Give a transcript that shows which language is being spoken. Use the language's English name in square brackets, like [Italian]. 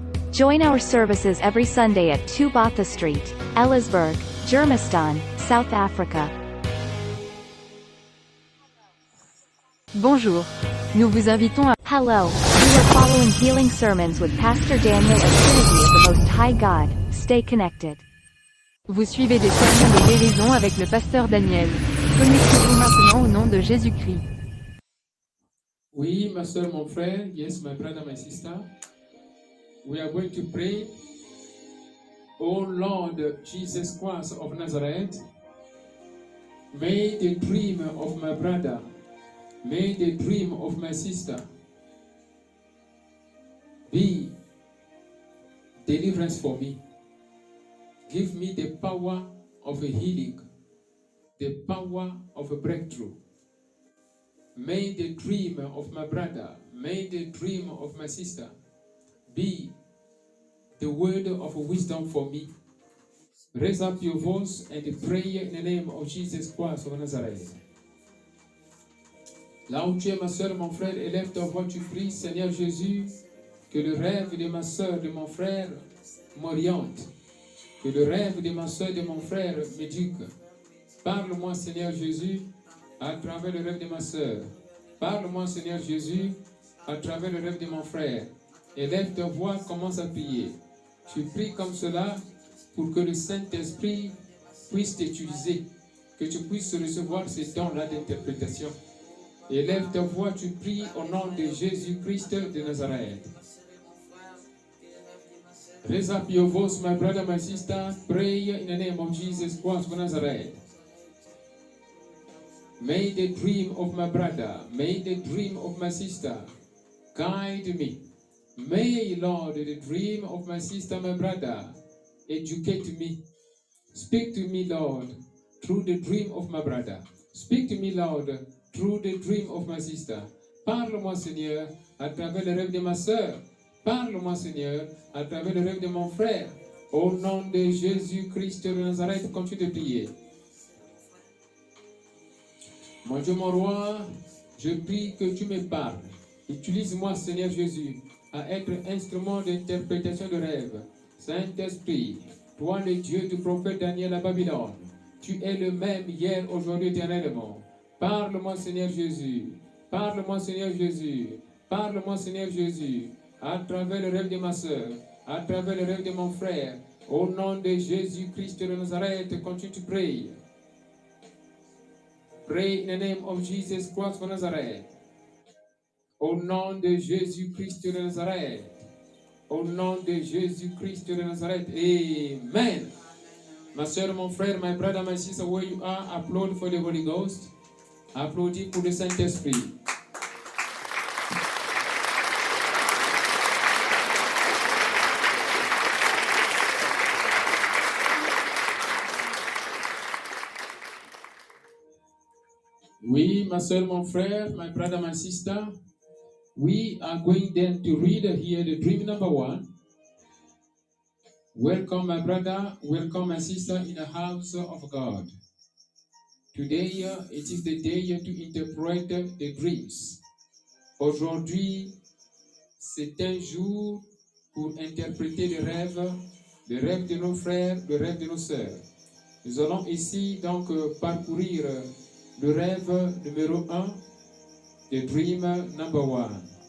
[English] Join our services every Sunday at 2 Botha Street, Ellisburg, Germiston, South Africa. [French] Bonjour. Nous vous invitons à... [English] Hello. We are following healing sermons with Pastor Daniel of Trinity of the Most High God. Stay connected. [French] Vous suivez des sermons de guérison avec le Pasteur Daniel. Connectez-vous maintenant au nom de Jésus-Christ. Oui, ma soeur, mon frère. [English] Yes, my brother, my sister. We are going to pray. Oh Lord Jesus Christ of Nazareth, May the dream of my brother, may the dream of my sister be deliverance for me. Give me the power of a healing, the power of a breakthrough. May the dream of my brother, may the dream of my sister be the word of wisdom for me. Raise up your voice and pray in the name of Jesus Christ of Nazareth. [French] Là où tu es, ma soeur, mon frère, élève ta voix, tu pries, Seigneur Jésus, que le rêve de ma soeur, de mon frère, m'oriente. Que le rêve de ma soeur, de mon frère, m'éduque. Parle-moi, Seigneur Jésus, à travers le rêve de ma soeur. Parle-moi, Seigneur Jésus, à travers le rêve de mon frère. Élève ta voix, commence à prier. Tu pries comme cela pour que le Saint-Esprit puisse t'utiliser, que tu puisses recevoir ces dons-là d'interprétation. Élève ta voix, tu pries au nom de Jésus-Christ de Nazareth. [English] Raise up your voice, my brother, my sister. Pray in the name of Jesus Christ of Nazareth. May the dream of my brother, may the dream of my sister guide me. May, Lord, the dream of my sister, my brother, educate me. Speak to me, Lord, through the dream of my brother. Speak to me, Lord, through the dream of my sister. [French] Parle-moi, Seigneur, à travers le rêve de ma sœur. Parle-moi, Seigneur, à travers le rêve de mon frère. Au nom de Jésus-Christ de Nazareth, continue de prier. Mon Dieu, mon roi, je prie que tu me parles. Utilise-moi, Seigneur Jésus, à être instrument d'interprétation de rêves. Saint-Esprit, toi le Dieu du prophète Daniel à Babylone, tu es le même hier, aujourd'hui, éternellement. Parle-moi, Seigneur Jésus. Parle-moi, Seigneur Jésus. Parle-moi, Seigneur Jésus, à travers le rêve de ma sœur, à travers le rêve de mon frère, au nom de Jésus-Christ de Nazareth, continue de prier. [English] Pray in the name of Jesus Christ of Nazareth. [French] Au nom de Jésus-Christ de Nazareth. Au nom de Jésus-Christ de Nazareth. [English] Amen. [French] Ma soeur, mon frère, [English] my brother, my sister, where you are, applaud for the Holy Ghost. [French] Applaudis pour le Saint-Esprit. Oui, ma soeur, mon frère, [English] my brother, my sister. We are going then to read here the dream number one. Welcome, my brother. Welcome, my sister, in the house of God. Today, it is the day to interpret the dreams. [French] Aujourd'hui, c'est un jour pour interpréter le rêve de nos frères, le rêve de nos sœurs. Nous allons ici donc parcourir le rêve numéro un, [English] the dream number one.